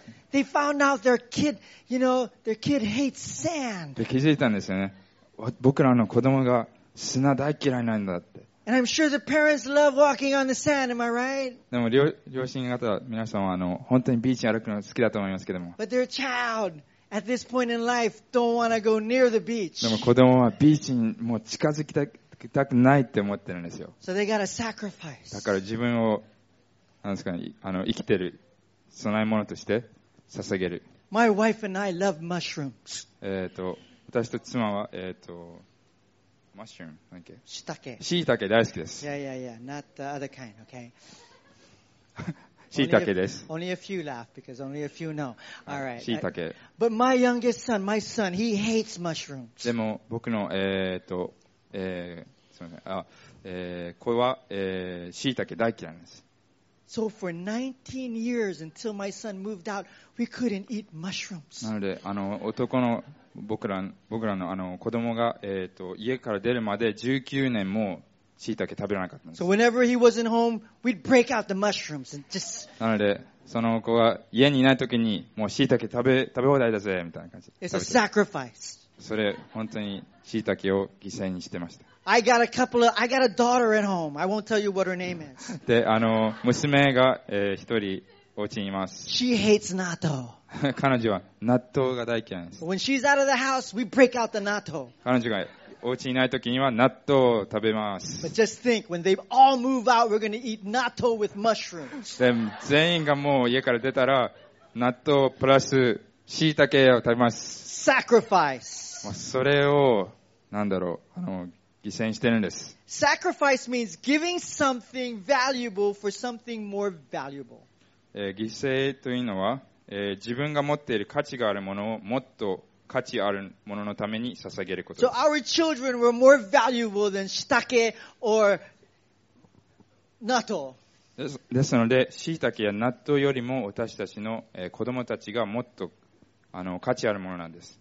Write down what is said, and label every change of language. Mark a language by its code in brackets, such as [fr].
[en] They found out their kid, you know, their kid hates sand. [ja] で気づいたんですよね。僕らの子供が砂大嫌いなんだって。 [en] And I'm sure the parents love walking on the sand, am I right? [ja] でも両親方皆さんは本当にビーチに歩くのが好きだと思いますけども。 [en] But their child at this point in life don't want to go near the beach. [ja] でも子供はビーチにもう近づきたくないって思ってるんですよ。 [en] So they got a sacrifice. [ja] だから自分をなんですかね生きてる備え物として捧げる。 [en] My wife and I love mushrooms. [ja] 私と妻は、マッシュルーム、何だっけ？しいたけ。しいたけ大好きです。いやいやいや、 [en] not the other kind, okay? [ja] しいたけです。 [en] Only a few laugh because only a few know. All right. [ja] しいたけ。 [en] But my youngest son, my son, he hates mushrooms. [ja] でも僕の、すみません。これは、しいたけ大嫌いです。 [en] So for 19 years until my son moved out, we couldn't eat mushrooms. [ja] なので、あの男の僕らの、あの子供が、家から出るまで19年も椎茸食べられなかったんです。 [en] So whenever he wasn't home, we'd break out the mushrooms and just... [ja] なので、その子が家にいない時に、もう椎茸食べ放題だぜ、みたいな感じ。 [en] It's a sacrifice. [ja] それ、本当に椎茸を犠牲にしてました。 [en] I got a daughter at home. I won't tell you what her name is. [ja] で、あの、娘が、一人、お家にいます。 [en] She hates natto. [ja] 彼女は納豆が大嫌いです。 [en] When she's out of the house, we break out the natto. [ja] 彼女がお家にいない時には納豆を食べます。 [en] But just think, when they all move out, we're gonna eat natto with mushrooms. [ja] で、全員がもう家から出たら、納豆プラス椎茸を食べます。 [en] Sacrifice. [ja] まあ、それを、なんだろう、あの、犠牲してるんです。 [en] Sacrifice means giving something valuable for something more valuable. [ja] 犠牲というのは、自分が持っている価値があるものをもっと価値あるもののために捧げることです。 [en] So our children were more valuable than shiitake or natto. [ja] ですので、しいたけや納豆よりも私たちの、子供たちがもっとあの価値あるものなんです。